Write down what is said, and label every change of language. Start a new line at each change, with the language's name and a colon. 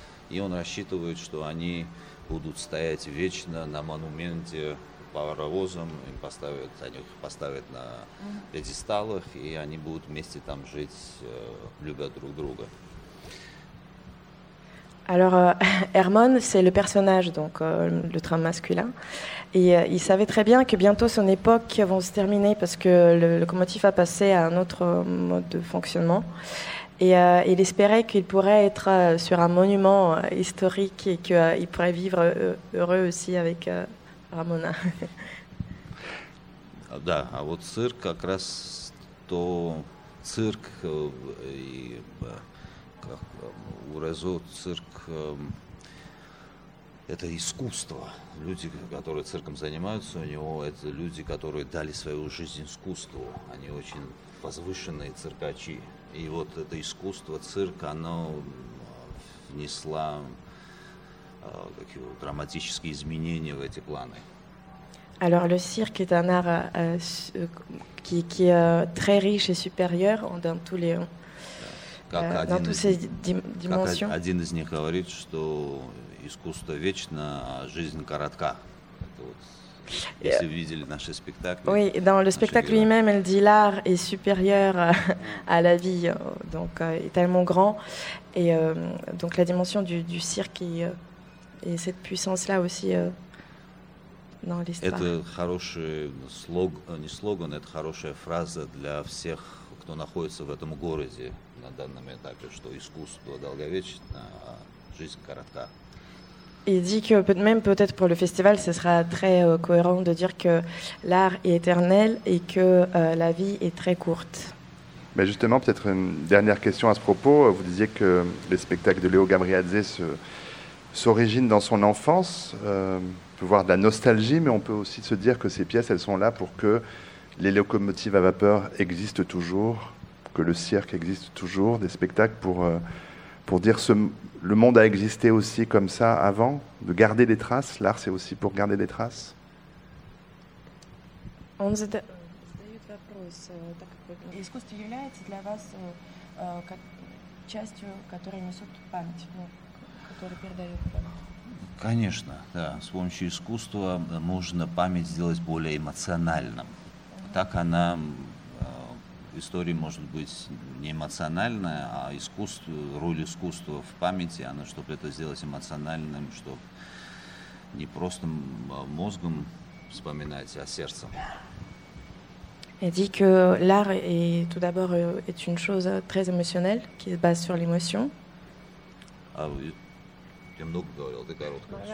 Russian: И он рассчитывает, что они будут стоять вечно на монументе паровозам, им поставят, они их поставят на пьедесталах, и они будут вместе там жить, любя друг друга.
French: Alors, Hermon, c'est le personnage, donc le train masculin. Et il savait très bien que bientôt son époque va se terminer parce que le locomotive a passé à un autre mode de fonctionnement. Et il espérait qu'il pourrait être sur un monument historique et qu'il pourrait vivre heureux aussi avec Ramona.
Russian: Да, а вот цирк как раз то цирк и как урезо цирк. Это искусство. Люди, которые цирком занимаются, у него это люди, которые дали свою жизнь искусству. Они очень возвышенные циркачи. И вот это искусство цирка, оно внесло такие драматические изменения в эти планы.
French: Alors le cirque est un art qui est très riche et supérieur dans tous les dans toutes ces dimensions.
Russian: Один из них говорит, что искусство вечно, а жизнь коротка. Если вы видели наши спектакли.
French: Oui, dans le spectacle lui-même, elle dit l'art est supérieur à la vie, donc est tellement grand. Et donc la dimension du cirque et cette puissance-là aussi dans l'histoire.
Russian: Это хороший слоган, не слоган, это хорошая фраза для всех, кто находится в этом городе на данном этапе, что искусство долговечно, а жизнь коротка.
French: Il dit que même peut-être pour le festival, ce sera très cohérent de dire que l'art est éternel et que la vie est très courte. Mais justement, peut-être une dernière question à ce propos. Vous disiez que les spectacles de Léo Gabriadze s'origine dans son enfance. On peut voir de la nostalgie, mais on peut aussi se dire que ces pièces, elles sont là pour que les locomotives à vapeur existent toujours, que le cirque existe toujours, des spectacles pour dire ce le monde a existé aussi comme ça avant, de garder des traces. L'art, c'est aussi pour garder des traces.
Russian: Он задает вопрос, так как искусство является для вас частью, которая несет память, ну, которая передает память. Конечно, да. С помощью искусства можно память сделать более эмоциональным. Так она история может быть не эмоциональная, а искусство, роль искусства в памяти, она, чтобы это сделать эмоциональным, чтобы не просто мозгом вспоминать, а сердцем.
French: Il dit que l'art est tout d'abord est une chose très émotionnelle, qui se base sur l'émotion. Ah oui,
Russian: я много говорил, ты коротко.